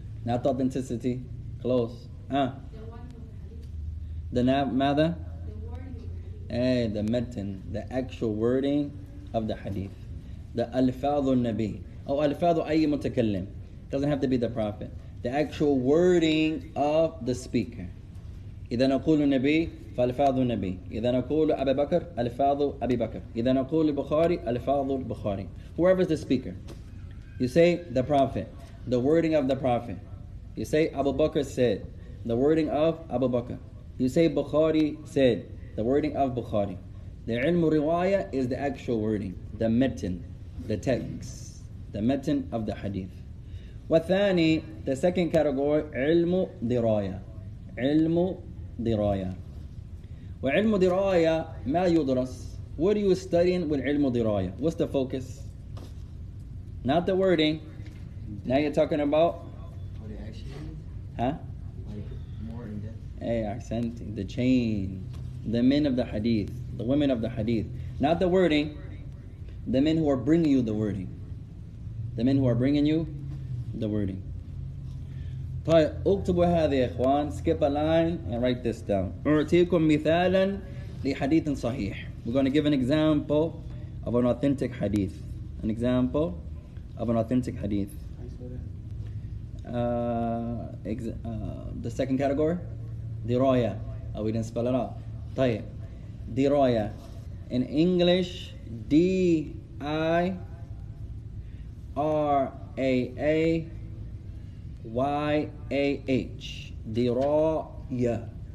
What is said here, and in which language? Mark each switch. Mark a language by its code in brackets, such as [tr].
[en] Not authenticity. Close. The matter? Hey, the metin, the actual wording of the hadith. the [ar] alfadhu nabi, or alfadhu ayyi mutakallim, [en] doesn't have to be the prophet, the actual wording of the speaker. [ar] إذا نقول النبي فالفاظ النبي إذا نقول أبي بكر الفاظ أبي بكر إذا نقول البخاري الفاظ البخاري. [en] Whoever is the speaker, you say the prophet, the wording of the prophet. You say Abu Bakr said, the wording of Abu Bakr. You say Bukhari said, the wording of Bukhari. The علم رواية is the actual wording, the متن, the text, the متن of the hadith. [ar] والثاني, [en] the second category, علم دراية. [ar] علم دراية. وعلم دراية ما يدرس. [en] What are you studying with علم دراية? What's the focus? Not the wording. Now you're talking about. What it actually means? Huh? Like more in depth. Hey, accent, the chain, the men of the hadith, the women of the hadith. Not the wording. The men who are bringing you the wording. The men who are bringing you the wording. [ar] طيب اكتبوا هذه يا اخوان. [en] Skip a line and write this down. [ar] أعطيكم مثالا لحديث صحيح. [en] We're going to give an example of an authentic hadith. An example of an authentic hadith. The second category, دراية. Oh, we didn't spell it out. [ar] طيب [en] دراية. In English, D-I-R-A-A Y-A-H, diraya.